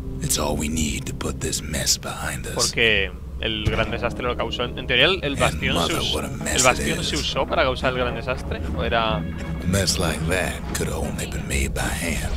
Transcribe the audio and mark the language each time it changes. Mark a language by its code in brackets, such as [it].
[en] It's all we need to put this mess behind us. [es] Porque el gran desastre lo causó. En teoría, el bastión, se usó para causar el gran desastre. ¿O era? [en] Mess like that could have only been made by hand.